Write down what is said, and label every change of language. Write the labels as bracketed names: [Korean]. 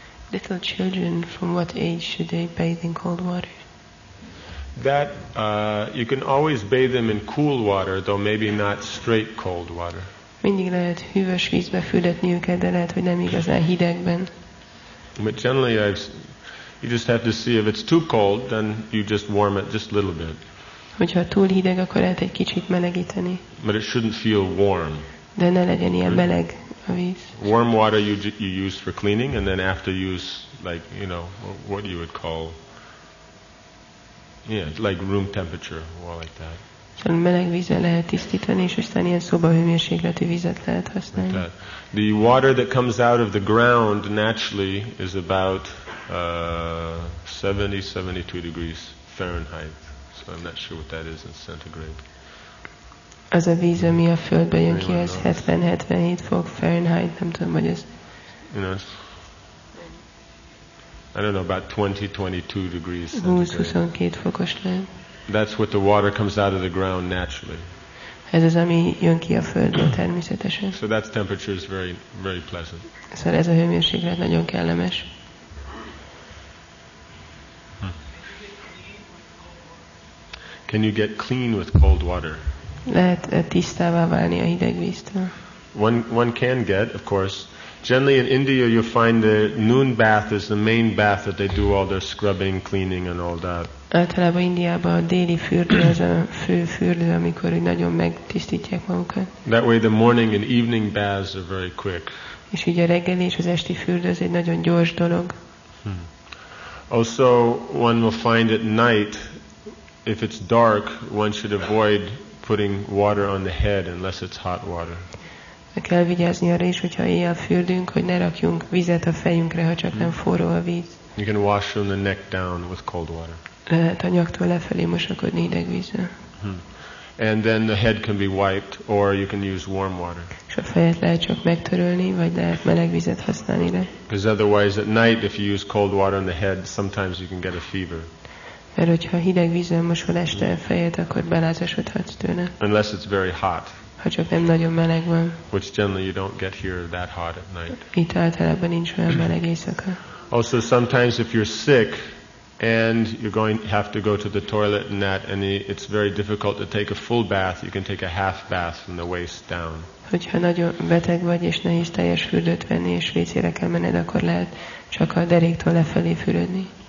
[English] Little children, from what age should they bathe in cold water? That you can always bathe them in cool water, though maybe not straight cold water. [Hungarian] Mindig lehet hűvös vízbe fürdetni őket, de lehet, hogy nem igazán hidegben. [English] But generally, I've You just have to see if it's too cold, then you just warm it just a little bit. [Hungarian] Hogyha túl hideg, akkor lehet egy kicsit melegíteni. [English] But it shouldn't feel warm. [Hungarian] De ne legyen ilyen meleg a víz. [English] Warm water you use for cleaning, and then after use, like, you know, what you would call, yeah, like room temperature, or like that. [Hungarian] Szóval meleg vízzel lehet tisztítani, és aztán ilyen szobahőmérsékletű vízet lehet használni. [English] Like the water that comes out of the ground naturally is about 70-72 degrees Fahrenheit. I'm not sure what that is in centigrade. [Hungarian] Az a víz, ami a földbe jön ki, az 70-77 fok Fahrenheit, nem tudom, hogy ez. [English] You know, I don't know, about 20-22 degrees centigrade. [Hungarian] 20-22 fokos lehet. [English] That's what the water comes out of the ground naturally. [Hungarian] Ez az, ami jön ki a földből természetesen. [English] So that temperature is very, very pleasant. [Hungarian] Szóval ez a hőmérséklet nagyon kellemes. [English] Can you get clean with cold water? [Hungarian] Lehet tisztává válni a hideg víztől. [English] One can get, of course. Generally in India you find the noon bath is the main bath that they do all their scrubbing, cleaning and all that. [Hungarian] Általában Indiában a déli fürdő az a fő fürdő, amikor nagyon megtisztítják magukat. [English] That way the morning and evening baths are very quick. [Hungarian] És így a reggeli és az esti fürdő az egy nagyon gyors dolog. [English] Also one will find at night, if it's dark, one should avoid putting water on the head unless it's hot water. [Hungarian] Kell vigyázni arra is, hogyha éjjel fürdünk, hogy ne rakjunk vizet a fejünkre, ha csak nem forró a víz. [English] You can wash from the neck down with cold water. [Hungarian] Lehet a nyaktól lefelé mosakodni hideg vízzel. [English] And then the head can be wiped, or you can use warm water. [Hungarian] És a fejet lehet csak megtörölni, vagy lehet meleg vizet használni rá. [English] Because otherwise, at night, if you use cold water on the head, sometimes you can get a fever. [Hungarian] Mert hogyha hideg vízzel mosol este a fejet, akkor belázasodhatsz tőle. [English] Unless it's very hot. [Hungarian] Ha csak nem nagyon meleg van. [English] Which generally you don't get here that hot at night. [Hungarian] Itt általában nincs olyan meleg éjszaka. [English] Also sometimes if you're sick and you're going have to go to the toilet and that, and it's very difficult to take a full bath, you can take a half bath from the waist down. [Hungarian] Hogyha nagyon beteg vagy és nehéz teljes fürdőt venni és vécére kell menned, akkor lehet csak a deréktől lefelé fürödni.